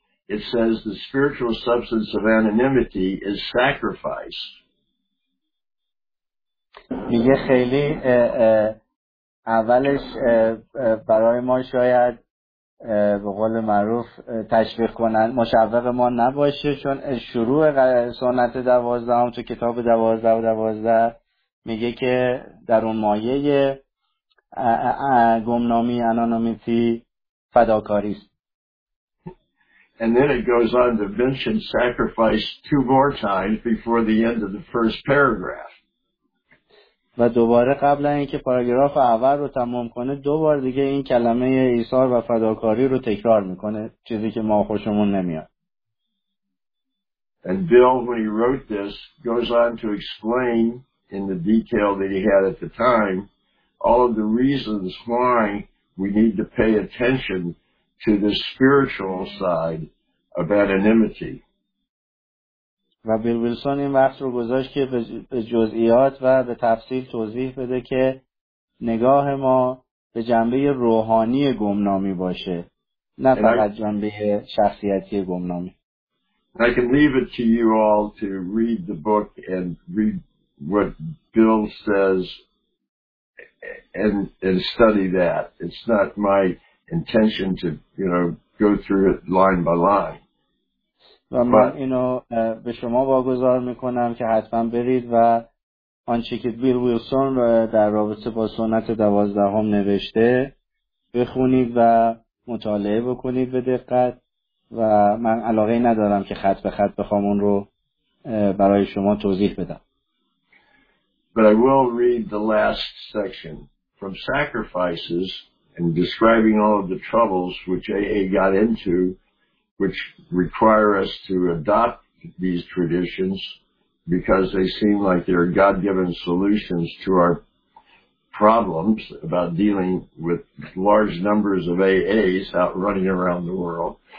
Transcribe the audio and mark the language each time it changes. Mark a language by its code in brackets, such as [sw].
[en] It says the spiritual substance of anonymity is sacrifice. [fa] میگه خیلی اولش برای ما شاید به قول معروف تشویق کنند مشوق ما نباشه، چون شروع سنت 12 تو کتاب 12 میگه که در اون مایه گمنامی انانومیتی فداکاری است. [en] And then it goes on to mention sacrifice 2 more times before the end of the first paragraph. [fa] و دوباره قبل از اینکه پاراگراف اول رو تمام کنه دوباره دیگه این کلمه ایثار و فداکاری رو تکرار میکنه، چیزی که ما خوشمون نمیاد. [en] And Bill, when he wrote this, goes on to explain in the detail that he had at the time all of the reasons why we need to pay attention to the spiritual side of anonymity. [fa] و بیل ویلسون این وقت رو گذاشت که به جزئیات و به تفصیل توضیح بده که نگاه ما به جنبه روحانی گمنامی باشه، نه فقط جنبه شخصیتی گمنامی. [en] I can leave it to you all to read the book and read what Bill says and study that. It's not my intention to, you know, go through it line by line. [fa] و من اینو به شما واگذار میکنم که حتما برید و آنچه که بیل ویلسون در رابطه با سنت 12 نوشته بخونید و مطالعه بکنید به دقت، و من علاقه ندارم که خط به خط بخوام اون رو برای شما توضیح بدم. [en] But I will read the last section from sacrifices and describing all of the troubles which AA got into which require us to adopt these traditions because they seem like they're God-given solutions to our problems about dealing with large numbers of AAs out running around the world.